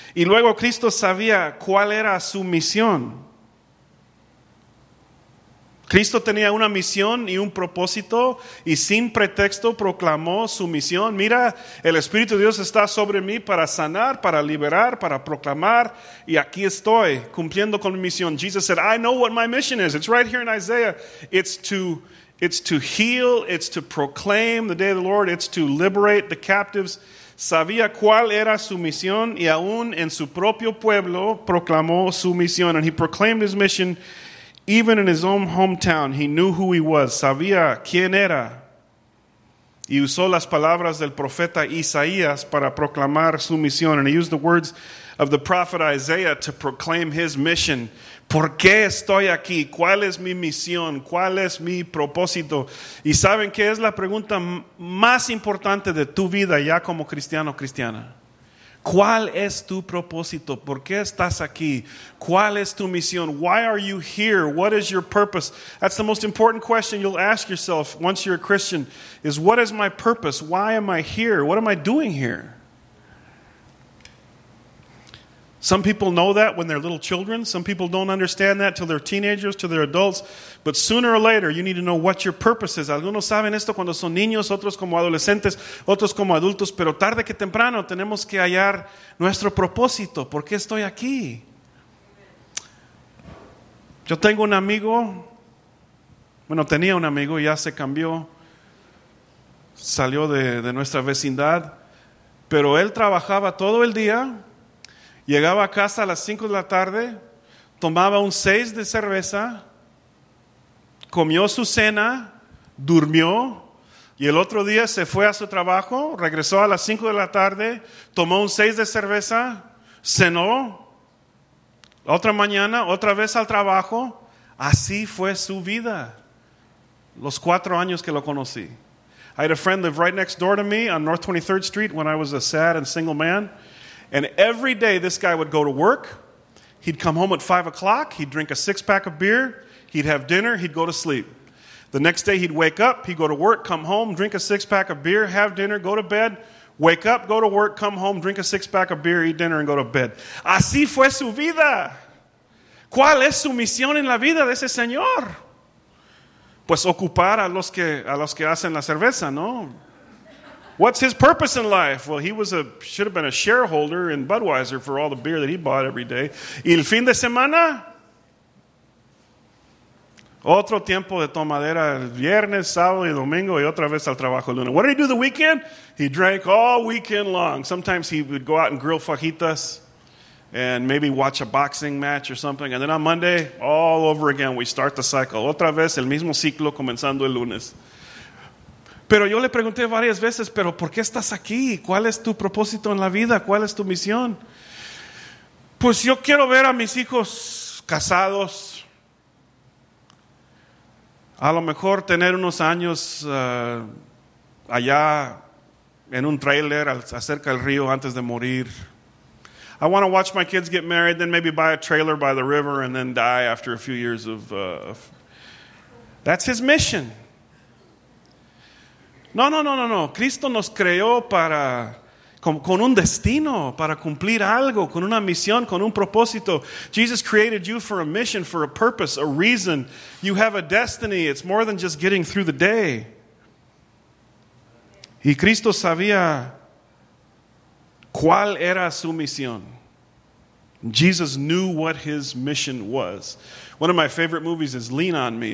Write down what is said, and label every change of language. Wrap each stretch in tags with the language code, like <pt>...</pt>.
<es>Y luego Cristo sabía cuál era su misión. Cristo tenía una misión y un propósito y sin pretexto proclamó su misión. Mira, el Espíritu de Dios está sobre mí para sanar, para liberar, para proclamar, y aquí estoy cumpliendo con mi misión.</es> <en>Jesus said, I know what my mission is. It's right here in Isaiah. It's to heal, it's to proclaim the day of the Lord, it's to liberate the captives.</en> <es>Sabía cuál era su misión y aún en su propio pueblo proclamó su misión.</es> <en>And he proclaimed his mission even in his own hometown. He knew who he was.</en> <es>Sabía quién era. Y usó las palabras del profeta Isaías para proclamar su misión.</es> <en>And he used the words of the prophet Isaiah to proclaim his mission.</en> <es>¿Por qué estoy aquí? ¿Cuál es mi misión? ¿Cuál es mi propósito? ¿Y saben qué es la pregunta más importante de tu vida ya como cristiano o cristiana? ¿Cuál es tu propósito? ¿Por qué estás aquí? ¿Cuál es tu misión?</es> <en>Why are you here? What is your purpose? That's the most important question you'll ask yourself once you're a Christian, is what is my purpose? Why am I here? What am I doing here? Some people know that when they're little children. Some people don't understand that till they're teenagers, till they're adults. But sooner or later, you need to know what your purpose is.</en> <es>Algunos saben esto cuando son niños, otros como adolescentes, otros como adultos. Pero tarde que temprano tenemos que hallar nuestro propósito. ¿Por qué estoy aquí? Yo tengo un amigo. Bueno, tenía un amigo, ya se cambió. Salió de nuestra vecindad. Pero él trabajaba todo el día. Llegaba a casa a las 5 de la tarde, tomaba un 6 de cerveza, comió su cena, durmió, y el otro día se fue a su trabajo, regresó a las 5 de la tarde, tomó un 6 de cerveza, cenó, otra mañana, otra vez al trabajo. Así fue su vida, los 4 años que lo conocí.</es> <en>I had a friend live right next door to me on North 23rd Street when I was a sad and single man. And every day this guy would go to work, he'd come home at 5 o'clock, he'd drink a 6-pack of beer, he'd have dinner, he'd go to sleep. The next day he'd wake up, he'd go to work, come home, drink a 6-pack of beer, have dinner, go to bed, wake up, go to work, come home, drink a 6-pack of beer, eat dinner, and go to bed.</en> <es>Así fue su vida. ¿Cuál es su misión en la vida de ese señor? Pues ocupar a los que hacen la cerveza, ¿no?</es> <en>What's his purpose in life? Well, he should have been a shareholder in Budweiser for all the beer that he bought every day.</en> <es>¿Y el fin de semana? Otro tiempo de tomadera, viernes, sábado y domingo, y otra vez al trabajo el lunes.</es> <en>What did he do the weekend? He drank all weekend long. Sometimes he would go out and grill fajitas and maybe watch a boxing match or something. And then on Monday, all over again, we start the cycle.</en> <es>Otra vez el mismo ciclo comenzando el lunes. Pero yo le pregunté varias veces, pero ¿por qué estás aquí? ¿Cuál es tu propósito en la vida? ¿Cuál es tu misión? Pues yo quiero ver a mis hijos casados. A lo mejor tener unos años allá en un trailer acerca del río antes de morir.</es> <en>I want to watch my kids get married, then maybe buy a trailer by the river and then die after a few years of... That's his mission. No.</en> <es>Cristo nos creó para con un destino, para cumplir algo, con una misión, con un propósito.</es> <en>Jesus created you for a mission, for a purpose, a reason. You have a destiny. It's more than just getting through the day.</en> <es>Y Cristo sabía cuál era su misión.</es> <en>Jesus knew what his mission was. One of my favorite movies is Lean On Me.</en>